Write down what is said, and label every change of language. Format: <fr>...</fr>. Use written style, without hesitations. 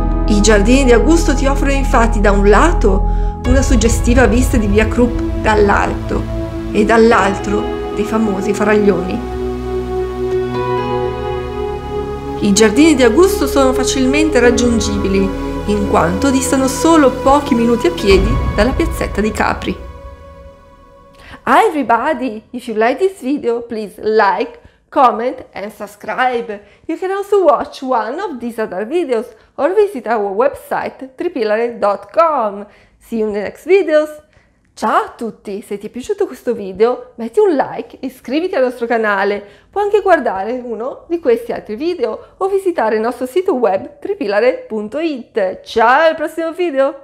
<it>I Giardini di Augusto ti offrono infatti da un lato una suggestiva vista di via Krupp dall'alto e dall'altro dei famosi faraglioni. I Giardini di Augusto sono facilmente raggiungibili, in quanto distano solo pochi minuti a piedi dalla piazzetta di Capri.</it> <en>Hi everybody! If you like this video, please like, comment and subscribe. You can also watch one of these other videos or visit our website tripilare.com. See you in the next videos!</en> <it>Ciao a tutti! Se ti è piaciuto questo video, metti un like e iscriviti al nostro canale. Puoi anche guardare uno di questi altri video o visitare il nostro sito web tripilare.it. Ciao, al prossimo video!</it>